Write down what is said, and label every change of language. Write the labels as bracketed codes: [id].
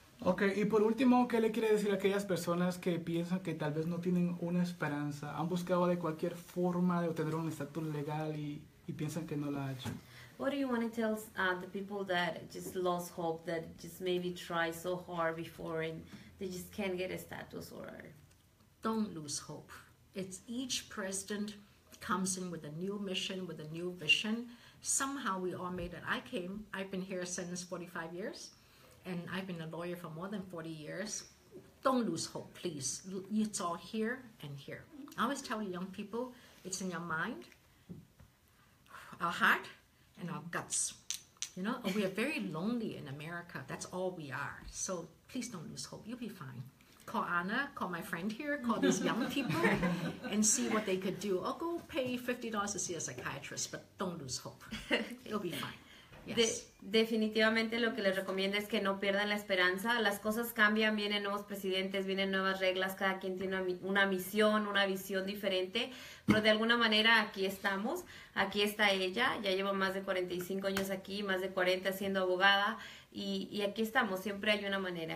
[es] Okay, y por último, ¿qué le quiere decir a aquellas personas que piensan que tal vez no tienen una esperanza, han buscado de cualquier forma de obtener un estatus legal y y piensan que no la ha hecho. [en] What do you want to tell the people that just lost hope, that just maybe tried so hard before and they just can't get a status or? Don't lose hope. It's each president comes in with a new mission, with a new vision. Somehow we all made it. I've been here since 45 years and I've been a lawyer for more than 40 years. Don't lose hope, please. It's all here and here. I always tell young people, it's in your mind, our heart, and our guts. You know, we are very lonely in America. That's all we are. So please don't lose hope. You'll be fine. Call Anna, call my friend here, call these young people and see what they could do. Or go pay $50 to see a psychiatrist, but don't lose hope. You'll be fine. [es] Definitivamente lo que les recomiendo es que no pierdan la esperanza. Las cosas cambian, vienen nuevos presidentes, vienen nuevas reglas, cada quien tiene una misión, una visión diferente, pero de alguna manera aquí estamos, aquí está ella, ya lleva más de 45 años aquí, más de 40 siendo abogada, y aquí estamos, siempre hay una manera.